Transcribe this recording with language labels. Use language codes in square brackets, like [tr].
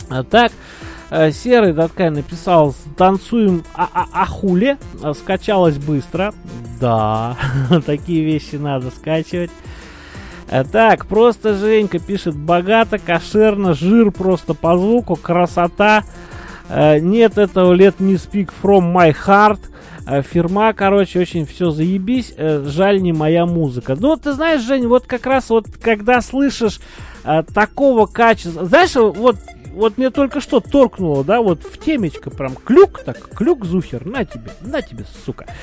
[ru] Так, Серый Даткай написал, танцуем ахуле. Скачалось быстро. Да, такие вещи надо скачивать. Так, просто Женька пишет, богато, кошерно, жир просто по звуку, красота. Нет этого, [en] let me speak from my heart. [ru] Фирма, короче, очень все заебись, жаль, не моя музыка. Ну, ты знаешь, Жень, вот как раз вот, когда слышишь такого качества, знаешь, вот мне только что торкнуло, да, вот в темечко прям, клюк так, клюк, Зухер, на тебе, сука.